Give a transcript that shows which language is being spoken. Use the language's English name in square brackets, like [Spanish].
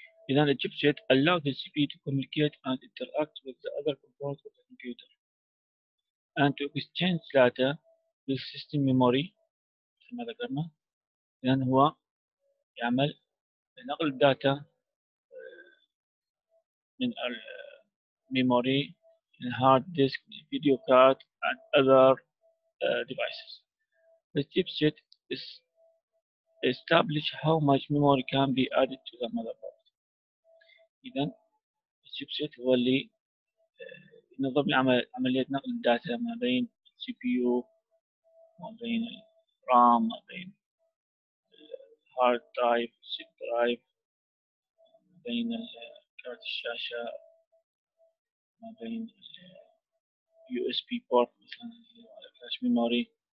[Arabic] إذا الشيبسيت [English] allow the CPU to communicate and interact with the other components of the computer and to exchange data with system memory [Arabic] كما ذكرنا. إذا هو يعمل نقل الداتا من الميموري من هارد ديسك فيديو كارد [English] and other devices. The chipset is establish how much memory can be added to the motherboard. [Arabic] إذا الشيبسيت هو اللي ينظم عملية نقل الداتا ما بين السي بي يو ما بين الرام ما بين الهارد درايف السي درايف ما بين كارت الشاشة ما بين اليو اس بي بورت مثلا الفلاش ميموري.